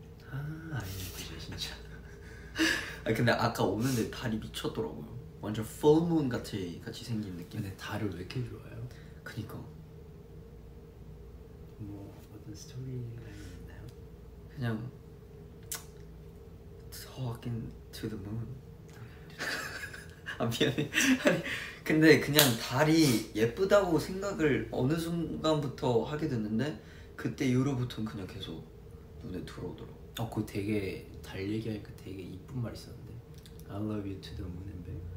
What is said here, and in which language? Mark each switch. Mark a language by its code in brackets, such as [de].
[ko] 아 아니 이제 진짜. 아 근데 아까 오는데 달이 미쳤더라고요. 완전 [en] full moon [ko] 같이 생긴 느낌. 근데 달을 왜 이렇게 좋아요? 그니까. 뭐 어떤 스토리가 있나요? 그냥 [en] talking to the moon. [ko] 아 미안해. 아니 근데 그냥 달이 예쁘다고 생각을 어느 순간부터 하게 됐는데 그때 이후로부터는 그냥 계속 눈에 들어오더라고. 아 그 되게 달 얘기하니까 되게 이쁜 말 있었는데 [en] I love you to the moon and back.